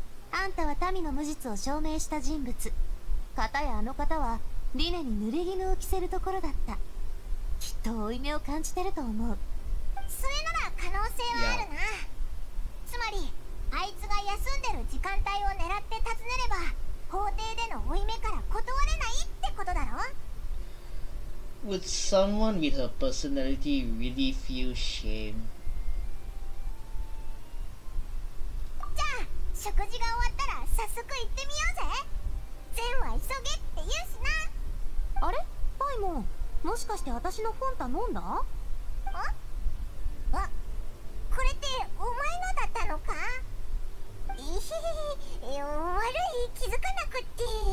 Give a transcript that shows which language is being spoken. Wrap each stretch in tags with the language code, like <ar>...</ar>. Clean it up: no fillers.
<ja>あんたは民の無実を証明した人物、かたやあの方はリネに濡れ衣を着せるところだった。きっと負い目を感じてると思う。それなら可能性はあるな。つまりあいつが休んでる時間帯を狙って訪ねれば法廷での負い目から断れないってことだろ。</ja> <en>Would someone with her personality really feel shame?</en> <ja>じゃあ食事が終わったら早速行ってみようぜ。善は急げって言うしな。あれパイモン、もしかして私の本頼んだ？あ、これってお前のだったのか。いひひひ、悪い、気づかなくって。</ja>